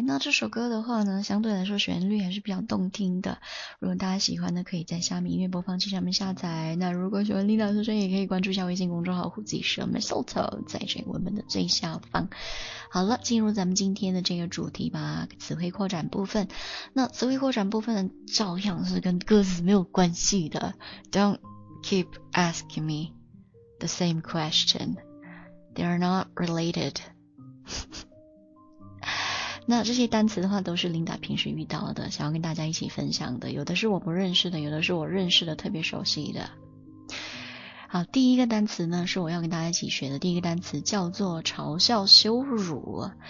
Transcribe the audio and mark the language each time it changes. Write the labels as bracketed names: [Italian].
[Chinese] 那这首歌的话呢，相对来说旋律还是比较动听的，如果大家喜欢呢，可以在虾米音乐播放器上面下载。那如果喜欢 Lina 的声音，也可以关注一下微信公众号虎记社 Mistletoe， 在这个文本的最下方。好了，进入咱们今天的这个主题吧，词汇扩展部分。那词汇扩展部分照样是跟歌词没有关系的。 [English] Don't keep asking me the same question, they are not related. [Chinese] 那这些单词的话都是琳达平时遇到的，想要跟大家一起分享的，有的是我不认识的，有的是我认识的特别熟悉的。好，第一个单词呢是我要跟大家一起学的，第一个单词叫做嘲笑羞辱。